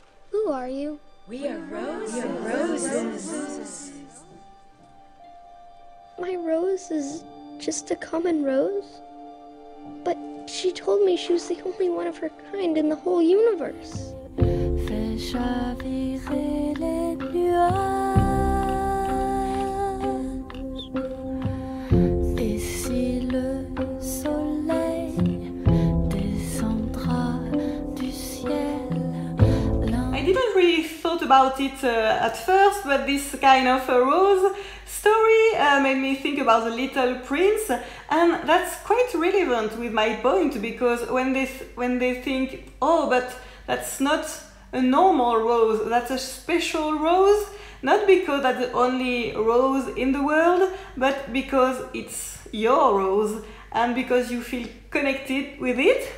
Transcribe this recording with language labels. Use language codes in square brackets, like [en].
[en] Who are you? We are roses. We are roses. My rose is just a common rose, but she told me she was the only one of her kind in the whole universe. [fr] Chavirer les nuages, et si le soleil descendra du ciel. [en] I didn't really thought about it at first, but this kind of a rose story made me think about the little prince, and that's quite relevant with my point, because when they think, oh, but that's not a normal rose, that's a special rose, not because that's the only rose in the world, but because it's your rose and because you feel connected with it.